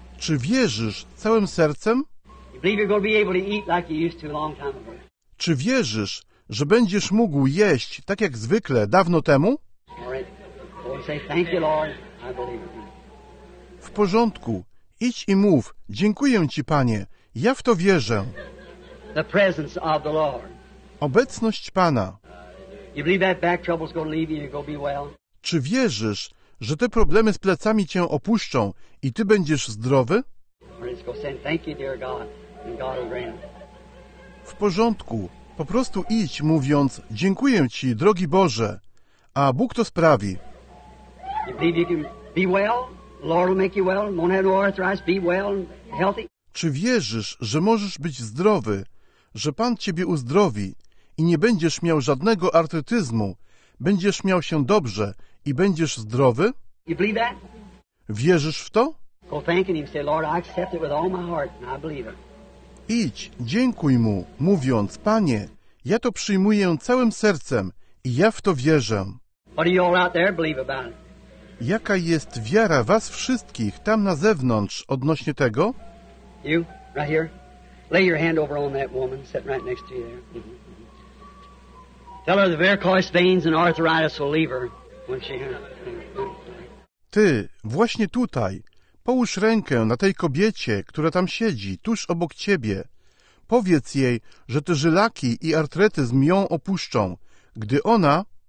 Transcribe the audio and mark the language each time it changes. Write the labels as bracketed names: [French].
[Polish] Czy wierzysz całym sercem? [English] You believe you're going to be able to eat like you used to a long time ago? [Polish] Czy wierzysz, że będziesz mógł jeść tak jak zwykle dawno temu? [English] All right. Lord, say thank you, Lord. I believe it. [Polish] W porządku. Idź i mów. Dziękuję Ci, Panie. Ja w to wierzę. [English] The presence of the Lord. [Polish] Obecność Pana. [English] You believe that back trouble's gonna leave you and you'll be well? [Polish] Czy wierzysz, że te problemy z plecami Cię opuszczą i Ty będziesz zdrowy? [English] Thank you, dear God, and God will grant. [Polish] W porządku. Po prostu idź, mówiąc dziękuję Ci, drogi Boże, a Bóg to sprawi. [English] You believe you can be well? Lord will make you well, won't have no arthritis, be well and healthy. [Polish] Czy wierzysz, że możesz być zdrowy, że Pan Ciebie uzdrowi i nie będziesz miał żadnego artrytyzmu, będziesz miał się dobrze i będziesz zdrowy? [English] You believe that? [Polish] Wierzysz w to? [English] Go thanking him, say, Lord, I accept it with all my heart and I believe it. [Polish] Idź, dziękuj Mu, mówiąc, Panie, ja to przyjmuję całym sercem i ja w to wierzę. [English] What do you all out there believe about it? [Polish] Jaka jest wiara was wszystkich tam na zewnątrz odnośnie tego? [English] You, right here. Lay your hand over on that woman sitting right next to you there. Mm-hmm. Tell her the varicose veins and arthritis will leave her when she... Mm-hmm. [Polish] Ty, właśnie tutaj, połóż rękę na tej kobiecie, która tam siedzi, tuż obok ciebie. Powiedz jej, że te żylaki i artretyzm ją opuszczą, gdy ona...